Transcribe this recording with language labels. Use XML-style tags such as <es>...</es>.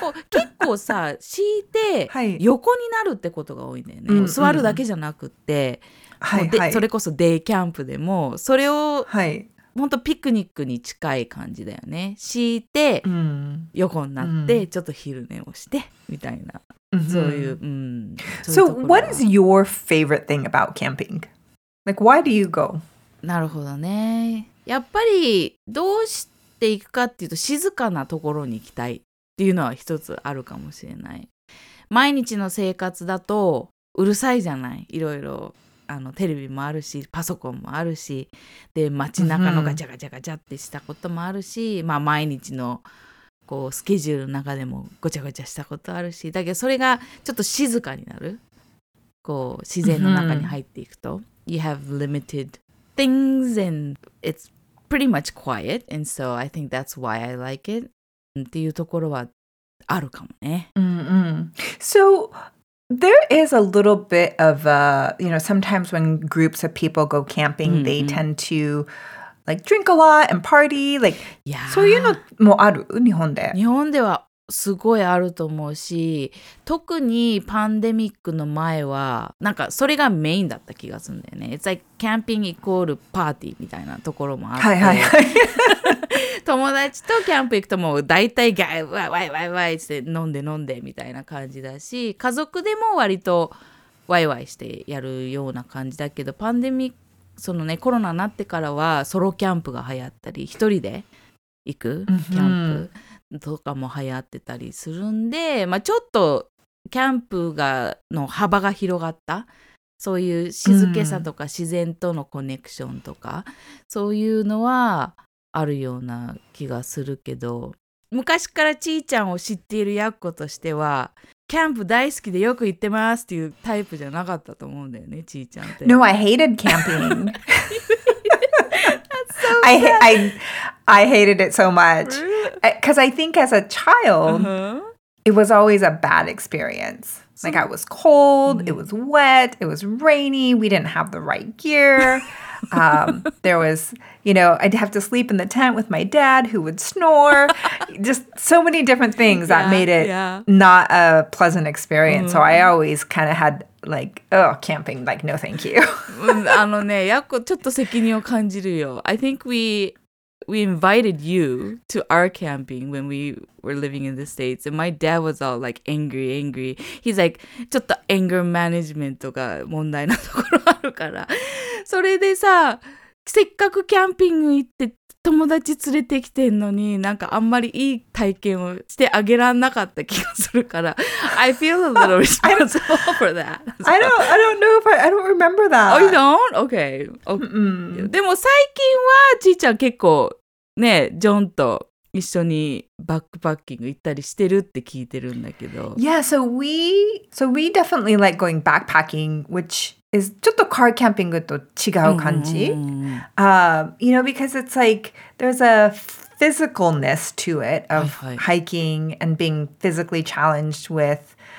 <ja>結構さ、敷いて横になるってことが多いんだよね。はい、座るだけじゃなくて。はいはい、それこそデイキャンプでもそれを本当、はい、ピクニックに近い感じだよね。敷いて、うん、横になって、うん、ちょっと昼寝をしてみたいな、うん、そういう、うん、そういうところ。</ja> <en>So what is your favorite thing about camping? Like why do you go?</en> <ja>なるほどね。やっぱりどうして行くかっていうと静かなところに行きたいっていうのは一つあるかもしれない。毎日の生活だとうるさいじゃない、いろいろあのテレビもあるしパソコンもあるしで街中のガチャガチャガチャってしたこともあるし、うん、まあ毎日のこうスケジュールの中でもごちゃごちゃしたことあるし、だけどそれがちょっと静かになる、こう自然の中に入っていくと、うん、</ja> <en>You have limited things and it's pretty much quiet and so I think that's why I like it</en> <ja>っていうところはあるかもね。うんうん。</ja> <en>SoThere is a little bit of a, you know, sometimes when groups of people go camping, mm-hmm. they tend to, like, drink a lot and party, like, yeah.</en> <ja>そういうのもある日本で。日本ではすごいあると思うし、特にパンデミックの前は、なんかそれがメインだった気がするんだよね。</ja> <en>It's like camping equal party</en> <ja>みたいなところもあって。はいはいはい。友達とキャンプ行くともう大体ガイワイワイワイワイして飲んで飲んでみたいな感じだし、家族でも割とワイワイしてやるような感じだけど、パンデミック、そのね、コロナになってからはソロキャンプが流行ったり、一人で行くキャンプとかも流行ってたりするんで、まあ、ちょっとキャンプがの幅が広がった、そういう静けさとか自然とのコネクションとか、そういうのはあるような気がするけど、昔からちーちゃんを知っているヤッコとしてはキャンプ大好きでよく行ってますっていうタイプじゃなかったと思うんだよね、ちーちゃんって。</ja> <en>No, I hated camping. That's so sad. I hated it so much because I think as a child、uh-huh. it was always a bad experience. Like I was cold, it was wet, it was rainy, we didn't have the right gear. there was, you know, I'd have to sleep in the tent with my dad who would snore. Just so many different things that made it not a pleasant experience. So I always kind of had like, oh, camping, like, no thank you.</en> <ja>あのね、やっこちょっと責任を感じるよ。</ja> <en>I think we invited you to our camping when we were living in the States. And my dad was all like angry. He's like,</en> <ja>ちょっと anger management とか問題なところあるから。それでさ、せっかくキャンピング行って友達連れてきてんのに、なんかあんまりいい体験をしてあげらんなかった気がするから。</ja> <en>I feel a little responsible for that. I don't know if I don't remember that. Oh, you don't? Okay.</en> <ja>でも最近はちーちゃん結構ね、ジョンと一緒にバックパッキング行ったりしてるって聞いてるんだけど。</ja> <en>Yeah, so we definitely like going backpacking, which... is</en> <ja>ちょっとカーキャンピングと違う感じ、</ja> <en>you know, because it's like there's a physicalness to it of、はいはい、hiking and being physically challenged with</en>